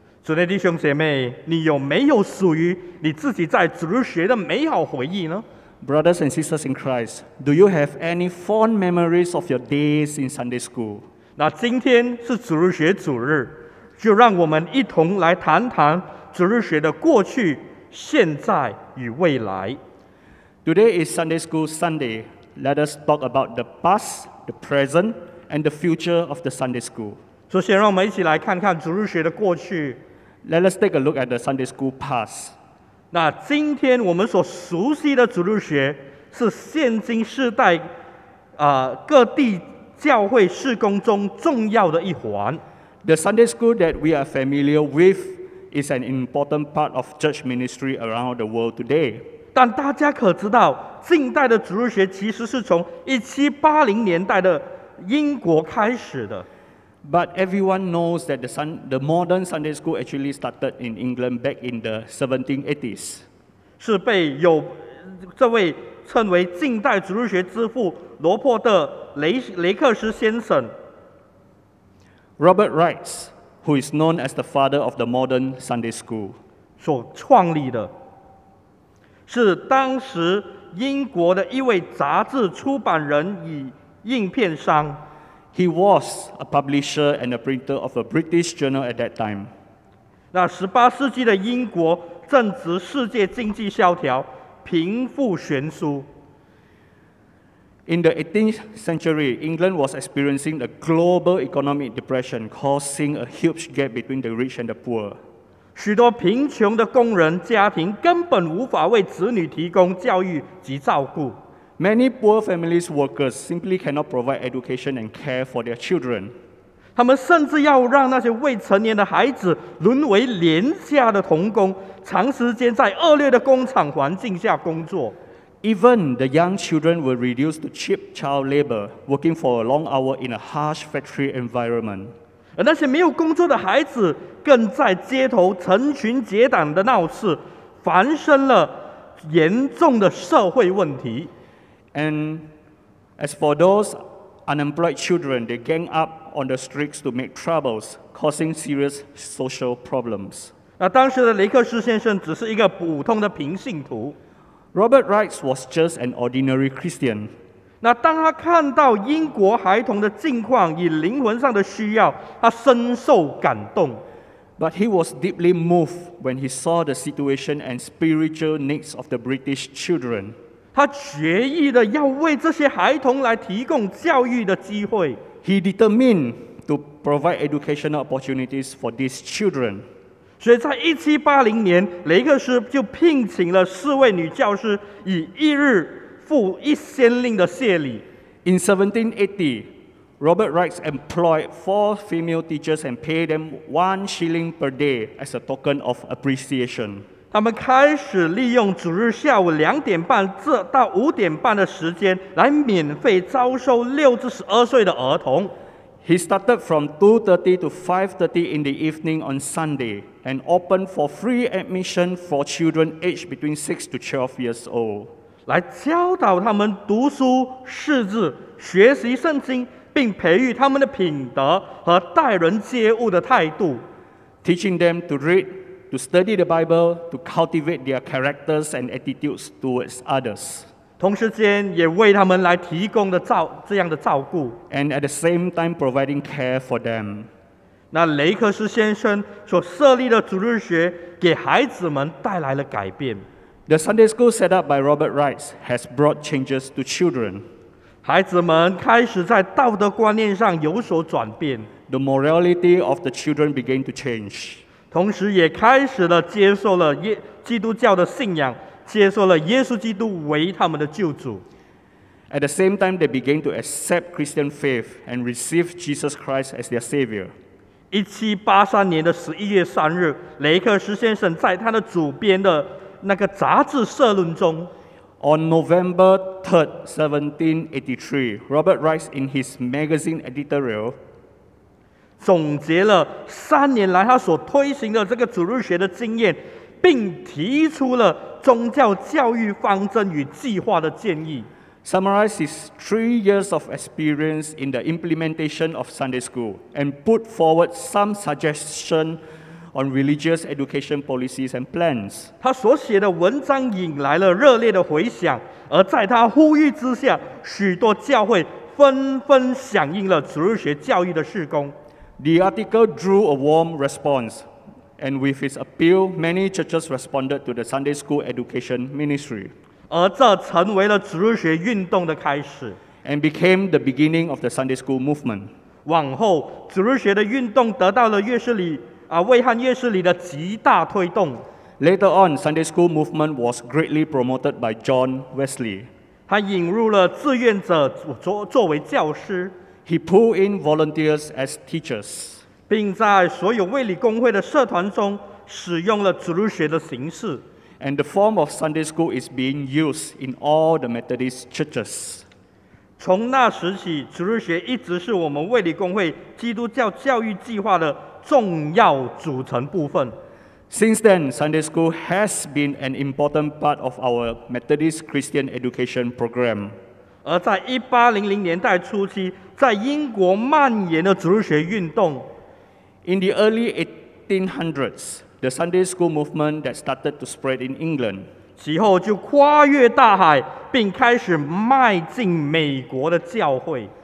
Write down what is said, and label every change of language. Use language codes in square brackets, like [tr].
[zh] 主内弟兄姐妹，你有没有属于你自己在主日学的美好回忆呢？ [en] Brothers and sisters in Christ, do you have any fond memories of your days in Sunday school? [zh] 那今天是主日学主日，就让我们一同来谈谈主日学的过去、现在与未来。 [en] Today is Sunday School Sunday. Let us talk about the past, the present, and the future of the Sunday School. [zh] 首先，让我们一起来看看主日学的过去。 [en] Let us take a look at the Sunday School past. [zh] 那今天我们所熟悉的主日学是现今世代各地教会事工中重要的一环。 [en] The Sunday School that we are familiar with. Is an important part of church ministry around the world today. [zh] 但大家可知道，近代的主日学其实是从1780年代的英国开始的。 [en] But everyone knows that the modern Sunday school actually started in England back in the 1780s. [zh] 是被有这位称为近代主日学之父罗伯特雷克斯先生 [en] ，Robert Wrights。 Who is known as the father of the modern Sunday school? [zh] 所创立的，是当时英国的一位杂志出版人与印片商。 [en] He was a publisher and a printer of a British journal at that time. [zh] 那十八世纪的英国正值世界经济萧条，贫富悬殊。 [en] In the 18th century, England was experiencing a global economic depression, causing a huge gap between the rich and the poor. [zh] 许多贫穷的工人家庭根本无法为子女提供教育及照顾。 [en] Many poor families' workers simply cannot provide education and care for their children. [zh] 他们甚至要让那些未成年的孩子沦为廉价的童工，长时间在恶劣的工厂环境下工作。 [en] Even the young children were reduced to cheap child labor, working for a long hour in a harsh factory environment. [zh] 而那些没有工作的孩子更在街头成群结党的闹事，繁生了严重的社会问题。 [en] And as for those unemployed children, they gang up on the streets to make troubles, causing serious social problems. [zh] 那当时的雷克斯先生只是一个普通的平信徒。 [en] Robert Wrights was just an ordinary Christian. [zh] 那当他看到英国孩童的境况与灵魂上的需要，他深受感动。 [en] But he was deeply moved when he saw the situation and spiritual needs of the British children. [zh] 他决意的要为这些孩童来提供教育的机会。 [en] He determined to provide educational opportunities for these children. [zh] 所以在1780年，雷克斯就聘请了四位女教师，以一日付一先令的谢礼。 [en] In 1780, Robert Reich employed four female teachers and paid them one shilling per day as a token of appreciation. [zh] 他们开始利用主日下午两点半到五点半的时间，来免费招收六至十二岁的儿童。 [en] He started from 2:30 to 5:30 in the evening on Sunday and opened for free admission for children aged between 6 to 12 years old. [zh] 来教导他们读书、识字、学习圣经，并培育他们的品德和待人接物的态度。 [en] Teaching them to read, to study the Bible, to cultivate their characters and attitudes towards others. [zh] 同时间也为他们来提供的这样的照顾 [en] and at the same time providing care for them. [zh] 那雷克斯先生所设立的主日学给孩子们带来了改变。 [en] The Sunday school set up by Robert Reich has brought changes to children. [zh] 孩子们开始在道德观念上有所转变。 [en] The morality of the children began to change. [zh] 同时也开始了接受了基督教的信仰。接受了耶稣基督为他们的救主。 [en] At the same time, they began to accept Christian faith and receive Jesus Christ as their Savior. [zh] 1783年的11月3日，雷克斯先生在他的主编的那个杂志社论中 [en] ，On November 3rd, 1783, Robert Reich in his magazine editorial [zh] 总结了三年来他所推行的这个主日学的经验，并提出了。宗教教育方针与计划的建议 [en] summarizes 3 years of experience in the implementation of Sunday school and put forward some suggestion on religious education policies and plans. [zh] 他所写的文章引来了热烈的回响，而在他呼吁之下，许多教会纷纷响应了主日学教育的事工。 [en] The article drew a warm response. And with his appeal, many churches responded to the Sunday school education ministry. [zh] 而这成为了主日学运动的开始。 [en] And became the beginning of the Sunday school movement. [zh] 往后，主日学的运动得到了约瑟里啊，魏汉约瑟里的极大推动。 [en] Later on, Sunday school movement was greatly promoted by John Wesley. [zh] 他引入了志愿者作为教师。 [en] He pulled in volunteers as teachers. [zh] 并在所有卫理公会的社团中使用了主日学的形式。 [en] And the form of Sunday school is being used in all the Methodist churches. [zh] 从那时起，主日学一直是我们卫理公会基督教教育计划的重要组成部分。 [en] Since then, Sunday school has been an important part of our Methodist Christian education program. [zh] 而在1800年代初期，在英国蔓延的主日学运动。 [en] In the early 1800s, the Sunday school movement that started to spread in England. [zh] 其后就跨越大海，并开始迈进美国的教会。